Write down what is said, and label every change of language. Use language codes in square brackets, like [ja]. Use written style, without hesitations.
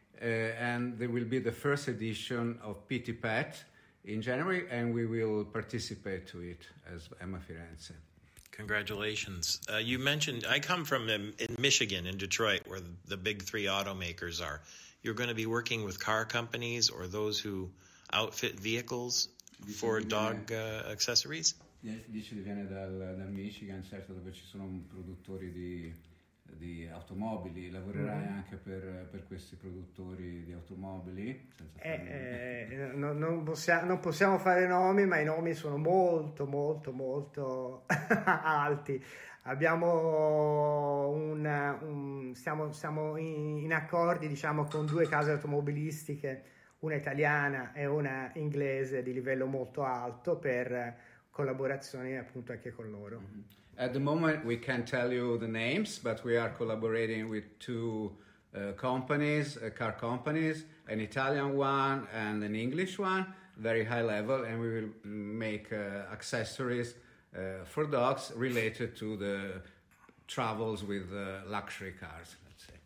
[en] And there will be the first edition of Pitti Pet in January, and we will participate to it as Emma Firenze. Congratulations. You mentioned, I come from in Michigan, in Detroit, where the big three automakers are. You're going to be working with car companies or those who outfit vehicles for dog accessories? [it] Dice viene dal Michigan, certo, dove ci sono produttori di automobili, lavorerai mm-hmm. anche per questi produttori di automobili? Non possiamo fare nomi, ma i nomi sono molto molto molto alti. Abbiamo siamo in accordi, diciamo, con due case automobilistiche, una italiana e una inglese di livello molto alto, per collaborazioni appunto anche con loro. Mm-hmm. [en] At the moment, we can't tell you the names, but we are collaborating with two companies, car companies, an Italian one and an English one, very high level, and we will make accessories for dogs related to the travels with luxury cars, let's say.